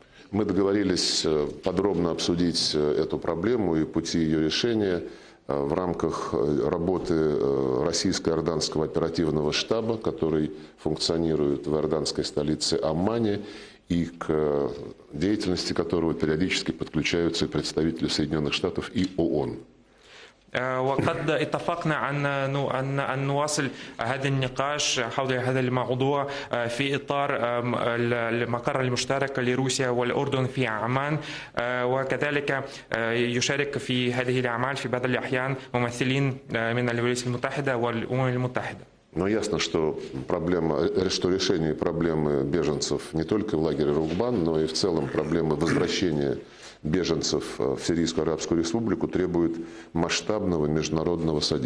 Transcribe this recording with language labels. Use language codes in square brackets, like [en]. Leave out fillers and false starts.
[ru] Мы договорились подробно обсудить эту проблему и пути ее решения в рамках работы российско-иорданского оперативного штаба, который функционирует в иорданской столице Аммане, и к деятельности которого периодически подключаются и представители Соединенных Штатов и ООН. [ar] وقد اتفقنا عن أن نواصل هذا النقاش حول هذا الموضوع في إطار المقر المشترك لروسيا والأردن في عمان وكذلك يشارك في هذه الأعمال في بعض الأحيان ممثلين من الولايات المتحدة والأمم المتحدة. [ru] Но ясно, что решение проблемы беженцев не только в лагере Рукбан, но и в целом проблемы возвращения беженцев в Сирийскую Арабскую Республику требует масштабного международного